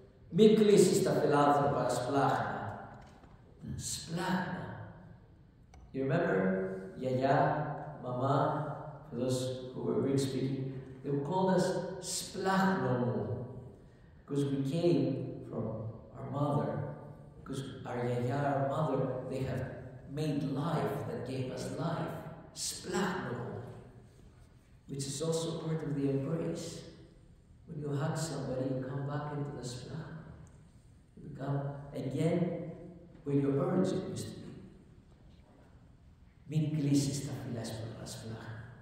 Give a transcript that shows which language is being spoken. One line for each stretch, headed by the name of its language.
Greek: Μη κλείσεις τα φιλάνθρωπα, σπλάχνα. Σπλάχνα.
English: You remember,
Greek: γιαγιά, μαμά,
English: for those who were Greek speaking, they would call us σπλάχνον, because we came from our mother, because our γιαγιά, our mother, they have made life that gave us life. Σπλάχνον, which is also part of the embrace. When you hug somebody, you come back into the σπλάχνα. Become again where your origin used to be.
Greek: Μην κλείσεις τα φιλάνθρωπα σπλάχνα.